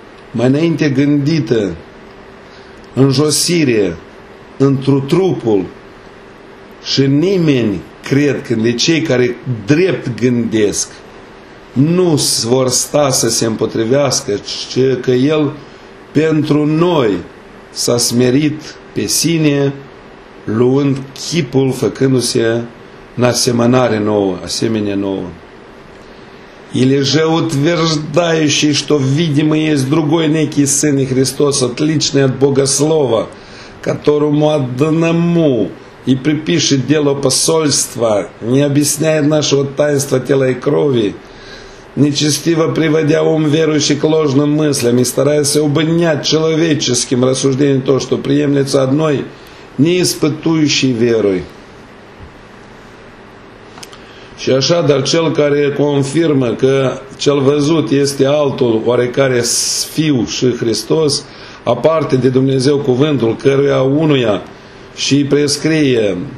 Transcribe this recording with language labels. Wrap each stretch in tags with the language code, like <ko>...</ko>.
<ro>mai înainte gândită în josire întru trupul și nimeni, cred că de cei care drept gândesc nu vor sta să se împotrivească, ci că El pentru noi s-a smerit pe sine luând chipul, făcându-se în asemănare nouă, asemenea nouă.</ro> <ru>Или же утверждающий, что видимый есть другой некий Сын и Христос, отличный от Бога Слова, которому одному и припишет дело посольства, не объясняет нашего таинства тела и крови, нечестиво приводя ум верующий к ложным мыслям и стараясь обнять человеческим рассуждением то, что приемлется одной, не испытующей верой.</ru> <ro>Și așa, dar cel care confirmă că cel văzut este altul, oarecare Fiu și Hristos, aparte de Dumnezeu cuvântul, căruia unuia și prescrie</ro>